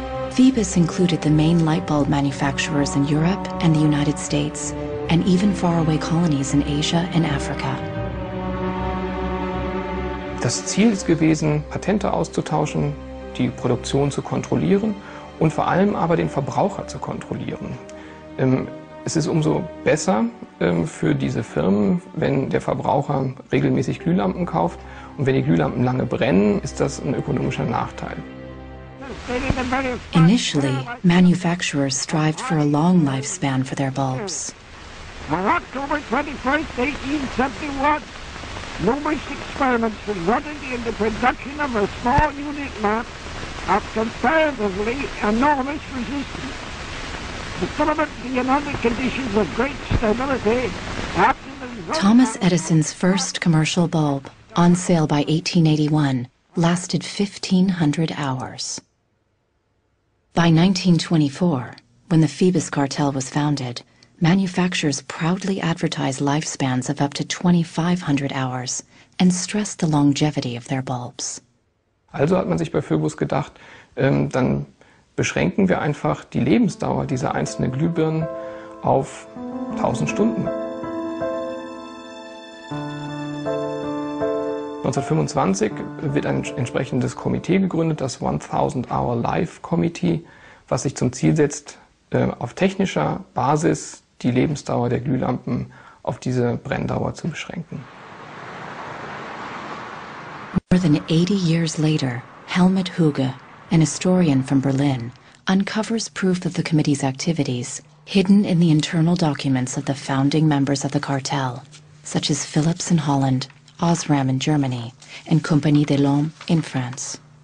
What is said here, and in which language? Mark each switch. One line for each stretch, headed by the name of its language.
English: Phoebus included the main lightbulb manufacturers in Europe and the United States, and even faraway colonies in Asia and Africa.
German: Das Ziel ist gewesen, Patente auszutauschen, die Produktion zu kontrollieren und vor allem aber den Verbraucher zu kontrollieren. Es ist umso besser für diese Firmen, wenn der Verbraucher regelmäßig Glühlampen kauft. Und wenn die Glühlampen lange brennen, ist das ein ökonomischer Nachteil.
English: Initially, manufacturers strived for a long lifespan for their bulbs. On October 21st, 1871, numerous experiments resulted in the production of a small unit lamp of comparatively enormous resistance. The filament being under conditions of great stability after the... Thomas Edison's first commercial bulb, on sale by 1881, lasted 1,500 hours. By 1924, when the Phoebus cartel was founded, manufacturers proudly advertised lifespans of up to 2,500 hours and stressed the longevity of their bulbs.
German: Also hat man sich bei Phoebus gedacht, dann beschränken wir einfach die Lebensdauer dieser einzelnen Glühbirnen auf 1,000 Stunden. 1925 wird ein entsprechendes Komitee gegründet, das 1,000-Hour-Life-Komitee, was sich zum Ziel setzt, auf technischer Basis die Lebensdauer der Glühlampen auf diese Brenndauer zu beschränken.
English: More than 80 years later, Helmut Hüge, an historian from Berlin, uncovers proof of the committee's activities hidden in the internal documents of the founding members of the cartel, such as Philips in Holland, Osram in Germany and Compagnie des Lampes in France.